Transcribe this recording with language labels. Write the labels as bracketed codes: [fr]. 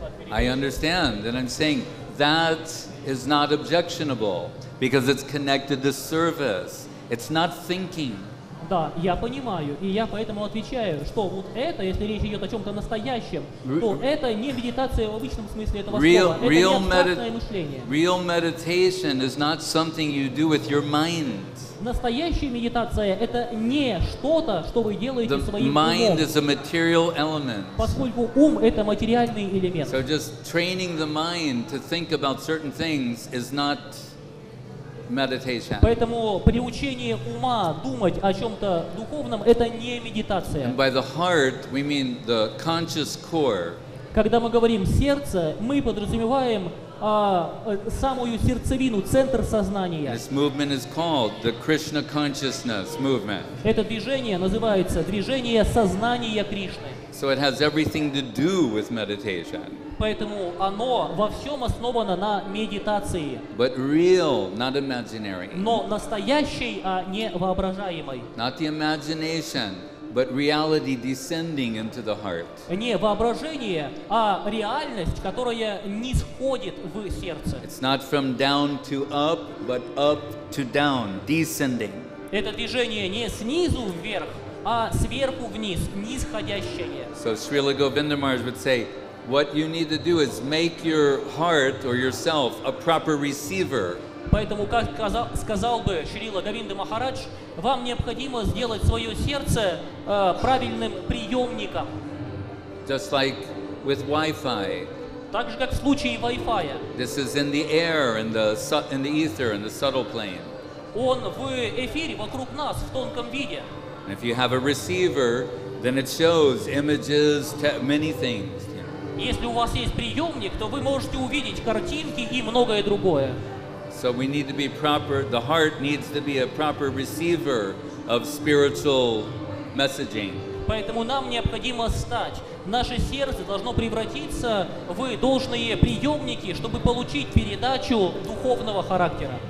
[en] I understand, and I'm saying that is not objectionable because it's connected to service. It's not thinking. [ru] Да, я понимаю, и я поэтому отвечаю, что вот это, если речь идет о чем-то настоящем, то это не медитация в обычном смысле этого слова. Это абстрактное мышление. [en] Real meditation is not something you do with your mind. [ru] Настоящая медитация — это не что-то, что вы делаете своим умом. [en] The mind is a material element. [ru] Поскольку ум — это материальный элемент. [en] So just training the mind to think about certain things is not meditation. [ru] Поэтому приучение ума думать о чем-то духовном – это не медитация. [en] And by the heart, we mean the conscious core. [ru] Когда мы говорим сердце, мы подразумеваем самую сердцевину, центр сознания. [en] This movement is called the Krishna consciousness movement. [ru] Это движение называется движение сознания Кришны. [en] So it has everything to do with meditation. [ru] Поэтому оно во всем основано на медитации. [en] But real, not imaginary. [ru] Но настоящей, а не воображаемой. [en] Not the imagination, but reality descending into the heart. [ru] Не воображение, а реальность, которая нисходит в сердце. [en] It's not from down to up, but up to down, descending. [ru] Это движение не снизу вверх, а сверху вниз, нисходящее. [en] So Srila Govinda Maharaj would say, what you need to do is make your heart or yourself a proper receiver. [ru] Поэтому, как сказал бы Шрила Говинда Махарадж, вам необходимо сделать свое сердце правильным приемником. [en] Just like with Wi-Fi. [ru] Так же, как в случае Wi-Fi. [en] This is in the air, in the ether, in the subtle plane. [ru] Он в эфире вокруг нас, в тонком виде. [en] And if you have a receiver, then it shows images, many things. [ru] Если у вас есть приемник, то вы можете увидеть картинки и многое другое. [en] So we need to be proper, the heart needs to be a proper receiver of spiritual messaging. [ru] Поэтому нам необходимо стать, наше сердце должно превратиться в должные приемники, чтобы получить передачу духовного характера.